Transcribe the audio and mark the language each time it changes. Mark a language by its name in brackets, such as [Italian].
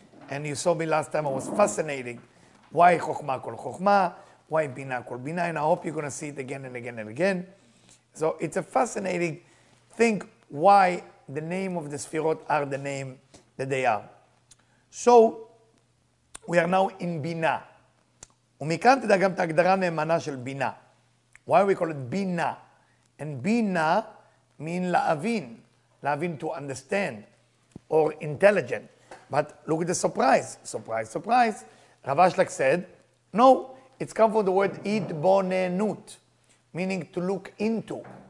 [English] And you saw me last time, I was fascinated. Why Chokhmah kol Chokhmah? Why Bina kol Bina? And I hope you're going to see it again and again and again. So it's a fascinating thing why the name of the Sefirot are the name that they are. So, we are now in Bina. [Hebrew] ומכאן תדע גם את ההגדרה נאמנה של Bina. [English] Why we call it Bina? And Bina means להבין. להבין to understand or intelligent. But look at the surprise. Surprise, surprise. Rav Ashlag said, no, it's come from the word itbonenut, meaning to look into.